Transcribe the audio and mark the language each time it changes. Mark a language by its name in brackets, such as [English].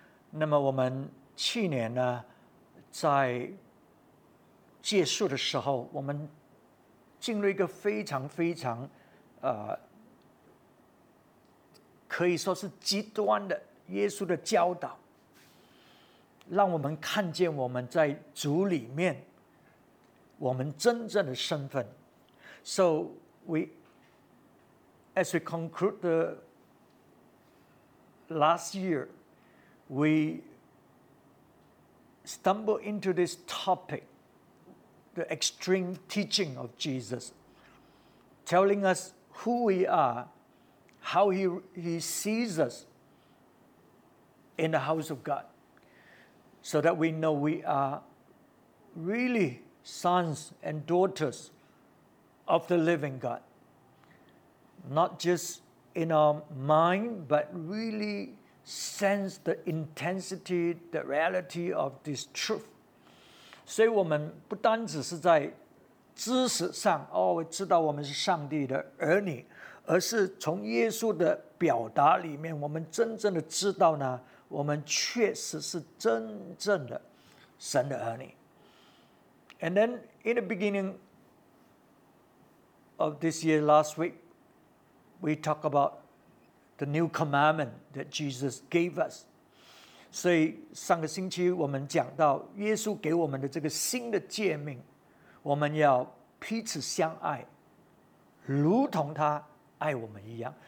[Chinese] 那么我们去年呢，在结束的时候，我们进入一个非常非常，可以说是极端的耶稣的教导，让我们看见我们在主里面，我们真正的身份。 [English] So we. As we conclude the last year, we stumble into this topic, the extreme teaching of Jesus, telling us who we are, how he sees us in the house of God, so that we know we are really sons and daughters of the living God. Not just in our mind, but really sense the intensity, the reality of this truth. [Chinese] 所以我们不单只是在知识上，哦，我知道我们是上帝的儿女，而是从耶稣的表达里面，我们真正的知道呢，我们确实是真正的神的儿女。 [English] And then in the beginning of this year, last week,We talk about the new commandment that Jesus gave us. [Chinese] 所以上个星期我们讲到耶稣给我们的这个新的诫命，我们要彼此相爱，如同他爱我们一样。